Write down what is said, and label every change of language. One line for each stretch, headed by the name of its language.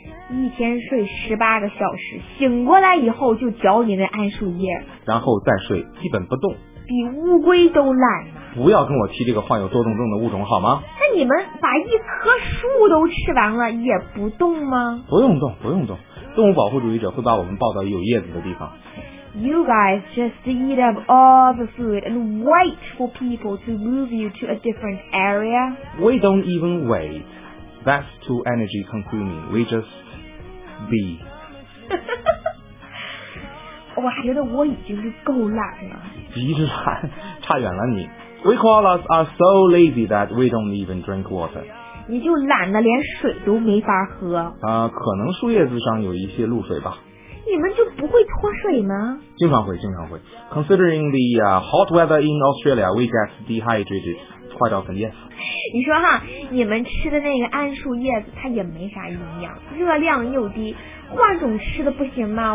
Chinese: 一天睡18个小时，醒过来以后就嚼你那桉树叶，然后再睡，基本不动。比乌龟都懒。不要跟我提这个患有多动症的物种好吗？那你们把一棵树都吃完了也不动吗？不用动，不用动。动物保护主义者会把我们抱到有叶子的地方。
English: You guys just eat up all the food and wait for people to move you to a different area. We don't even wait. That's too energy consuming. We just be.
Chinese: 我还觉得我已经是够懒了。极懒，差远了你。
English: We koalas are so lazy that we don't even drink water.
Chinese: 你就懒得连水都没法喝。可能树叶子上有一些露水吧。你们就不会脱水吗？经常会，经常会。 Considering the hot weather in Australia, we get dehydrated quite often, yes. 你说哈，你们吃的那个桉树叶子它也没啥营养，热量又低，换种吃的不行吗？